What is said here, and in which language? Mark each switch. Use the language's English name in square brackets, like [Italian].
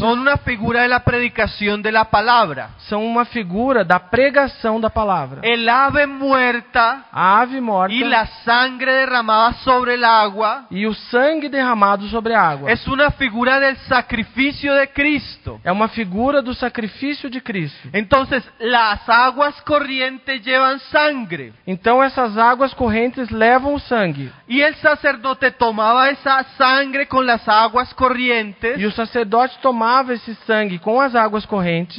[Portuguese] são uma figura da predicação da palavra. São uma figura da pregação da palavra. [Spanish] El ave muerta, [Portuguese] a ave morta, [Spanish] e la sangre derramada sobre el agua, [Portuguese] e o sangue derramado sobre a água. [Spanish] Es una figura del sacrificio de Cristo. [Portuguese] É uma figura do sacrifício de Cristo. [Spanish] Entonces, las aguas corrientes llevan sangre. [Portuguese] Então essas águas correntes levam sangue. [Spanish] Y el sacerdote tomaba esa sangre con las aguas corrientes. [Portuguese] E o sacerdote tomava esse sangue com as águas correntes